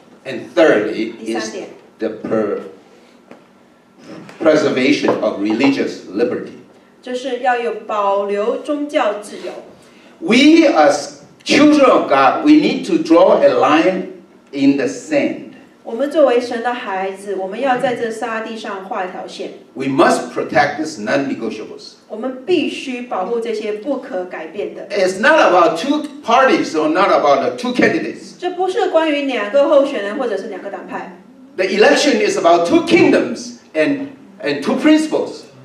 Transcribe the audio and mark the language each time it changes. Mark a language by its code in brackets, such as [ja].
[en] And thirdly, is the preservation of religious liberty. [zh] 就是要有保留宗教自由。 [en] We as children of God, we need to draw a line in the sand. [zh] 我们作为神的孩子，我们要在这沙地上画一条线。 [en] We must protect these non-negotiables. [zh] 我们必须保护这些不可改变的。 [en] It's not about two parties or not about the two candidates. [zh] 这不是关于两个候选人或者是两个党派。 [en] The election is about two kingdoms and two principles.